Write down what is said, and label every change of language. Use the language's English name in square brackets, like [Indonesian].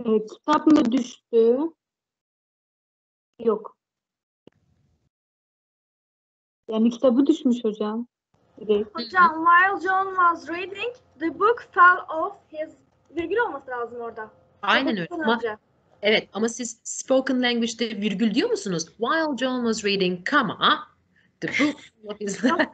[Turkish] Kitap mı düştü? Yok. Yani kitabı düşmüş hocam. [English] Hocam, while John was reading, the book fell off his... [Turkish] Virgül olması lazım orada. Aynen öyle. Evet, ama siz spoken language'de virgül diyor musunuz? [English] While John was reading, comma, the book fell off his...